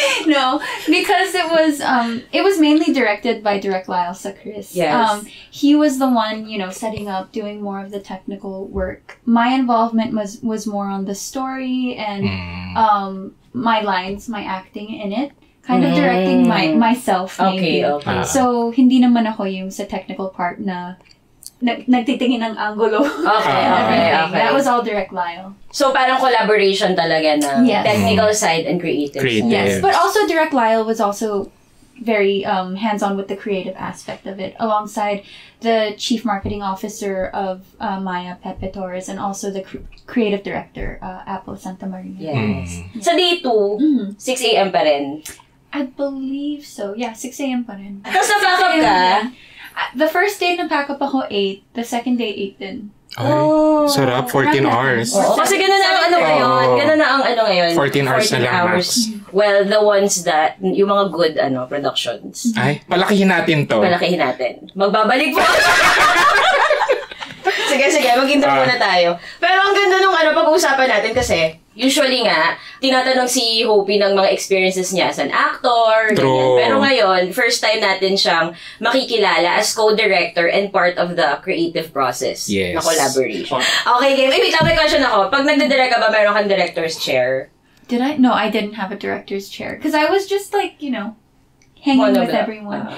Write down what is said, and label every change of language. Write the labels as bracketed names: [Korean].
[English] No, because it was mainly directed by direct Lyle Chris. Yes. He was the one, you know, setting up, doing more of the technical work. My involvement was more on the story and my lines, my acting in it, kind of directing myself. Maybe. Okay, okay. [Filipino] So, hindi naman ako yung sa technical part na nagtitingin ng angulo. [English] Okay. That was all direct Lyle. [Filipino] So, parang collaboration talaga ng technical side and creative. [English] Yes, but also direct Lyle was also very hands-on with the creative aspect of it, alongside the chief marketing officer of Maya Pepe Torres and also the creative director, Apple Santa Maria. Yes. Yes. So, day 2, 6 a.m. [Filipino] pa rin. [English] I believe so. Yeah, 6 a.m. [Filipino] pa rin. Tapos napakap ka? [English] The first day, [Filipino] napakap ako [English] 8. The second day, 8 din. [Filipino] Oh, sarap, 14 hours. Oh, kasi gano'n na ang ano ngayon. Gano'n na ang ano ngayon. [English] 14 hours [Filipino] na lang. [English] Hours. Well, the ones that, [Filipino] yung mga [English] good ano productions. [Filipino] Ay, palakihin natin to. Palakihin natin. Magbabalik po. Sige, mag-intro muna tayo. Pero ang ganda nung ano, pag-uusapan natin kasi, usually nga, tinatanong si Hopi ng mga experiences niya [English] as an actor. [Filipino] Pero ngayon, first time natin siyang makikilala [English] as co-director and part of the creative process. Yes. [Filipino] Na collaboration. Okay, game. Wait, may question ako. Pag nagdadirect ka ba, meron kang director's chair? [English] Did I? No, I didn't have a director's chair. Because I was just like, you know, hanging with everyone.